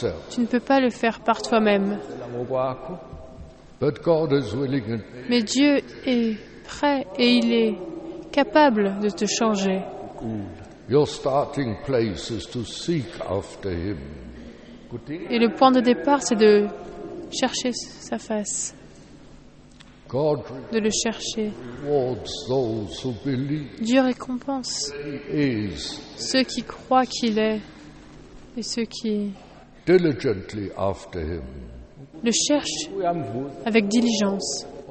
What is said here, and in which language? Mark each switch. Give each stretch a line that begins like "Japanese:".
French: Tu ne peux pas le faire par toi-même.
English: But God is willing and...
French: Mais Dieu est prêt et il est capable de te changer.
English: Your starting place is to seek after him.
French: Et le point de départ, c'est de chercher sa face.
English: God
French: de le chercher.
English: Rewards those who believe.
French: Dieu récompense
English: is.
French: Ceux qui croient qu'il est et ceux qui
English: diligently after him.
French: Le cherchent avec diligence.